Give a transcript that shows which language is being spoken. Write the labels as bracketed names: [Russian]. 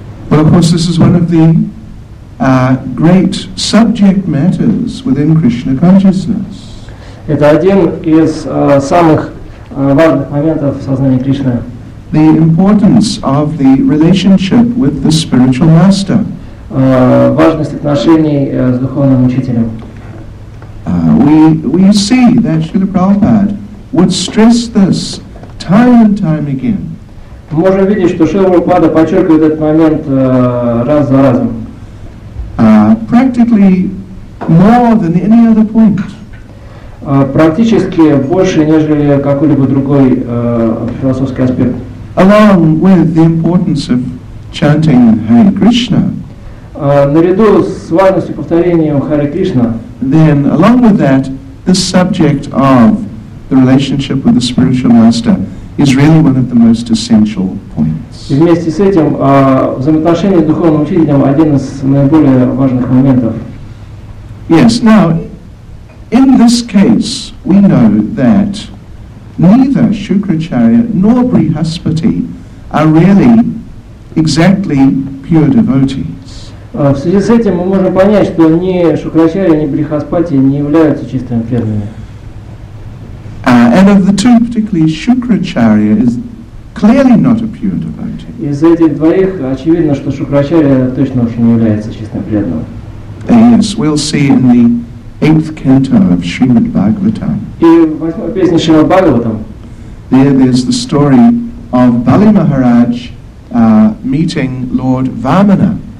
[English] Well, of course, this is one of the great subject matters within Krishna consciousness. [Russian] Это один из самых важных моментов в сознании Кришны. [English] The importance of the relationship with the spiritual master. [Russian] Важность отношений с духовным учителем. [English] We see that Śrīla Prabhupāda would stress this time and time again. [Russian] Мы можем видеть, что Śrīla Prabhupāda подчеркивает этот момент раз за разом. [English] Practically more than any other point. [Russian] Практически больше, нежели какой-либо другой философский аспект. [English] Along with the importance of chanting Hare Krishna, [Russian] наряду с важностью повторения Hare Krishna, [English] then along with that, the subject of the relationship with the spiritual master is really one of the most essential points. [Russian] И вместе с этим взаимоотношения с духовным учителем один из наиболее важных моментов. [English] Yes, now. In this case, we know that neither Shukracharya nor Brihaspati are really exactly pure devotees. [Russian] В связи с этим мы можем понять, что ни Шукрачарья, ни Брихаспати не являются чистыми преданными. [English] And of the two, particularly Shukracharya is clearly not a pure devotee. [Russian] Из этих двоих очевидно, что Шукрачарья точно уж не является чистым преданным. [English] Yes, we'll see in the 8th canto of Srimad Bhagavatam. There's the story of Bali Maharaj meeting Lord Vamana.